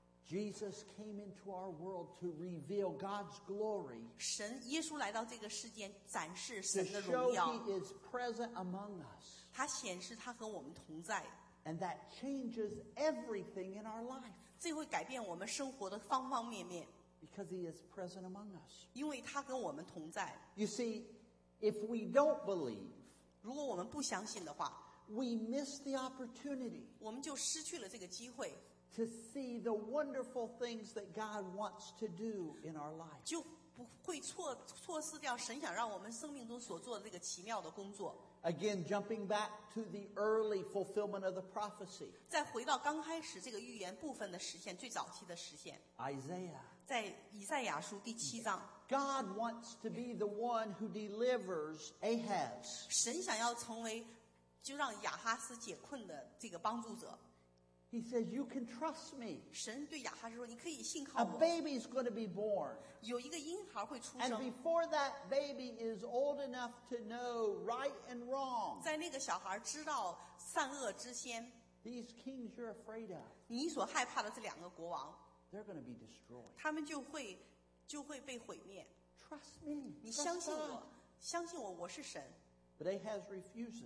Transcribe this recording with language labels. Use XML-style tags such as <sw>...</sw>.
<en>Jesus came into our world to reveal God's glory.</en> <zh>神耶稣来到这个世间，展示神的荣耀。</zh> <en>To show He is present among us.</en> <zh>他显示他和我们同在。</zh> <en>And that changes everything in our life.</en> <zh>这会改变我们生活的方方面面。</zh> <en>Because He is present among us.</en> <zh>因为他跟我们同在。</zh> <en>You see, if we don't believe,</en> <zh>如果我们不相信的话，</zh> <en>we miss the opportunity.</en> <zh>我们就失去了这个机会。</zh> <en>To see the wonderful things that God wants to do in our life,</en> <zh>就不会错失掉神想让我们生命中所做的这个奇妙的工作。</zh> <en>Again, jumping back to the early fulfillment of the prophecy,</en> <zh>再回到刚开始这个预言部分的实现，最早期的实现。</zh> <en>Isaiah,</en> <zh>在以赛亚书第七章。</zh> <en>God wants to be the one who delivers Ahaz.</en> <zh>神想要成为就让亚哈斯解困的这个帮助者。</zh> <en>He says, "You can trust me."</en> <zh>神对亚哈斯说，你可以信靠我。</zh> <en>A baby is going to be born.</en> <zh>有一个婴孩会出生。</zh> <en>And before that baby is old enough to know right and wrong,</en> <zh>在那个小孩知道善恶之先。</zh> <en>These kings you're afraid of.</en> <zh>你所害怕的这两个国王。</zh> <en>They're going to be destroyed.</en> <zh>他们就会被毁灭。</zh> <en>Trust me.</en> <zh>你相信我，相信我，我是神。</zh> <en>But Ahaz refuses.</en>